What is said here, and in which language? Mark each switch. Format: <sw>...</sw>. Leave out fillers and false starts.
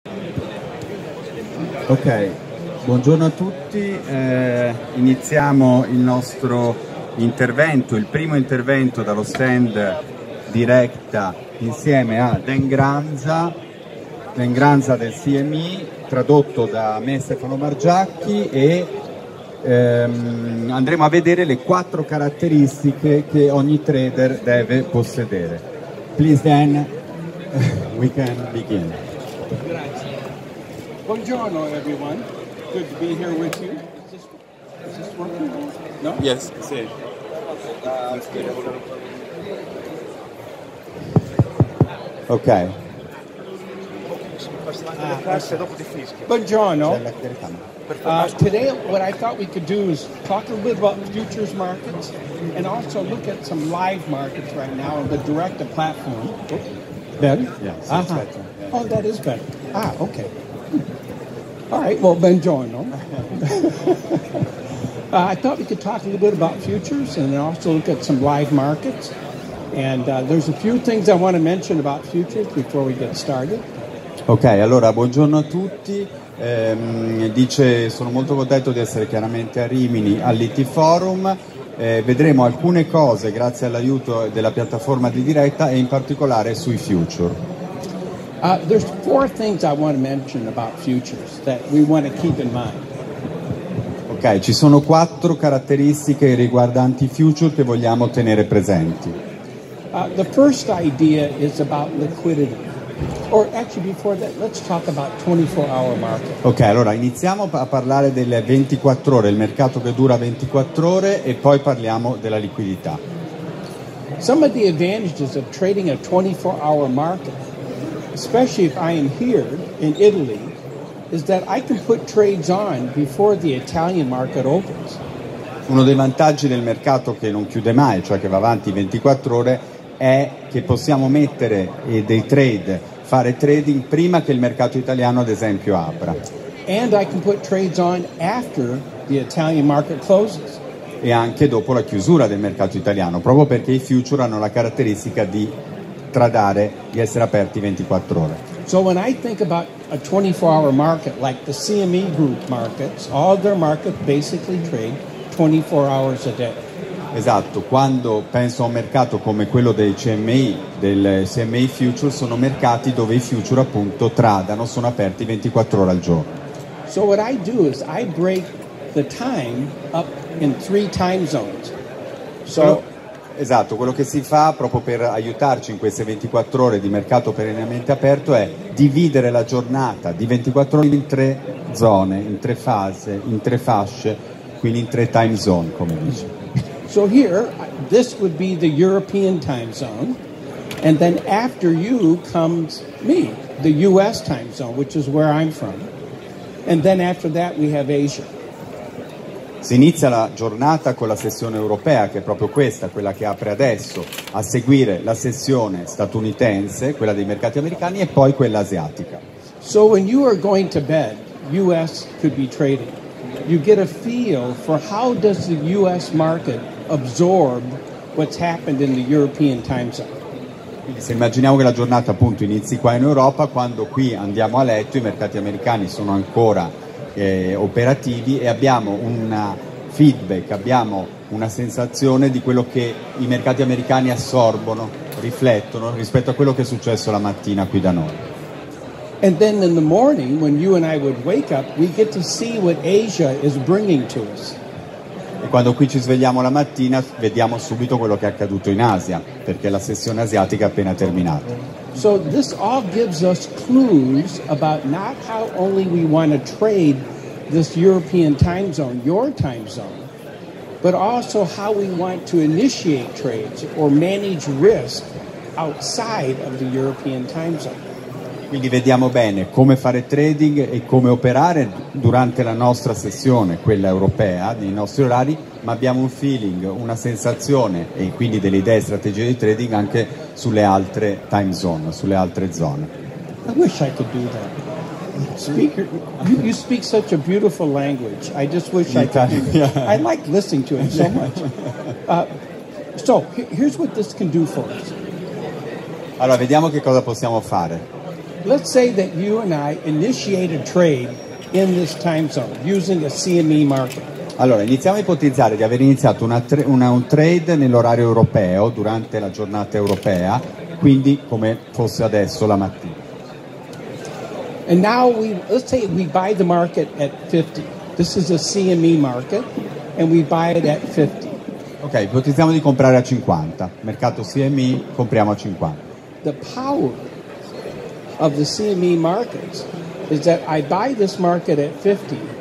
<it>Ok, buongiorno a tutti, iniziamo il nostro intervento, il primo intervento dallo stand diretta insieme a Den Gramza del CME, tradotto da me Stefano Margiacchi, e andremo a vedere le quattro caratteristiche che ogni trader deve possedere.</it> <en>Please then, we can begin. Buongiorno everyone, good to be here with you. Is this working? No? Yes, it's it. Okay.</en> <it>Buongiorno.</it> <en>Today what I thought we could do is talk a little bit about futures markets and also look at some live markets right now on the Directa platform. Ben? Yes, uh-huh. That's better. Oh, that is better. Ah, okay. All right, well, buongiorno. I thought we could talk a little bit about futures and then also look at some live markets. And there's a few things I want to mention about futures before we get started.</en> <it>Ok, allora, buongiorno a tutti. Dice, sono molto contento di essere chiaramente a Rimini all'ITForum. Vedremo alcune cose grazie all'aiuto della piattaforma di diretta e in particolare sui future.</it> <en>There's four things I want to mention about futures that we want to keep in mind.</en> <it>Ok, ci sono quattro caratteristiche riguardanti i future che vogliamo tenere presenti.</it> <en>The first idea is about liquidity. Or actually before that, let's talk about 24-hour market.</en> <it>Ok, allora iniziamo a parlare delle 24 ore, il mercato che dura 24 ore, e poi parliamo della liquidità.</it> <en>Some of the advantages of trading a 24-hour market, especially if I am here in Italy, is that I can put trades on before the Italian market opens.</en> <it>Uno dei vantaggi del mercato che non chiude mai, cioè che va avanti 24 ore, è che possiamo mettere dei trade, fare trading prima che il mercato italiano, ad esempio, apra.</it> <en>And I can put trades on after the Italian market closes.</en> <it>E anche dopo la chiusura del mercato italiano, proprio perché i future hanno la caratteristica di tradare, di essere aperti 24 ore.</it> <en>So when I think about a 24-hour market, like the CME group markets, all their markets basically trade 24 hours a day.</en> <it>Esatto, quando penso a un mercato come quello dei CMI, del CMI Future, sono mercati dove i future appunto tradano, sono aperti 24 ore al giorno.</it> <en>So what I do is I break the time up in three time zones.</en> <it>So, esatto, quello che si fa proprio per aiutarci in queste 24 ore di mercato perennemente aperto è dividere la giornata di 24 ore in tre zone, in tre fasi, in tre fasce, quindi in tre time zone, come dice.</it> <en>So here, this would be the European time zone, and then after you comes me, the US time zone, which is where I'm from, and then after that we have Asia.</en> <it>Si inizia la giornata con la sessione europea, che è proprio questa, quella che apre adesso, a seguire la sessione statunitense, quella dei mercati americani, e poi quella asiatica.</it> <en>So when you are going to bed, US could be trading. You get a feel for how does the US market absorb what's happened in the European time zone.</en> <it>Se immaginiamo che la giornata appunto inizi qua in Europa, quando qui andiamo a letto i mercati americani sono ancora operativi e abbiamo un feedback, abbiamo una sensazione di quello che i mercati americani assorbono, riflettono rispetto a quello che è successo la mattina qui da noi.</it> <en>And then in the morning when you and I would wake up, we get to see what Asia is bringing to us.</en> <it>E quando qui ci svegliamo la mattina vediamo subito quello che è accaduto in Asia, perché la sessione asiatica è appena terminata.</it> <en>So this all gives us clues about not how only we want to trade this European time zone, your time zone, but also how we want to initiate trades or manage risk outside of the European time zone.</en> <it>Quindi vediamo bene come fare trading e come operare durante la nostra sessione, quella europea, nei nostri orari, ma abbiamo un feeling, una sensazione e quindi delle idee e strategie di trading anche sulle altre time zone, sulle altre zone.</it> <en>I wish I could do that. Speaker, you speak such a beautiful language. I just wish I could do that. I like listening to it so much. So, here's what this can do for us.</en> <it>Allora, vediamo che cosa possiamo fare.</it> <en>Let's say that you and I initiate a trade in this time zone using a CME market.</en> <it>Allora, iniziamo a ipotizzare di aver iniziato un trade nell'orario europeo durante la giornata europea, quindi come fosse adesso la mattina.</it> <en>And now we, let's say we buy the market at 50. This is a CME market and we buy it at 50.</en> <it>Ok, ipotizziamo di comprare a 50. Mercato CME, compriamo a 50.</it> <en>The power of the CME markets is that I buy this market at 50.</en>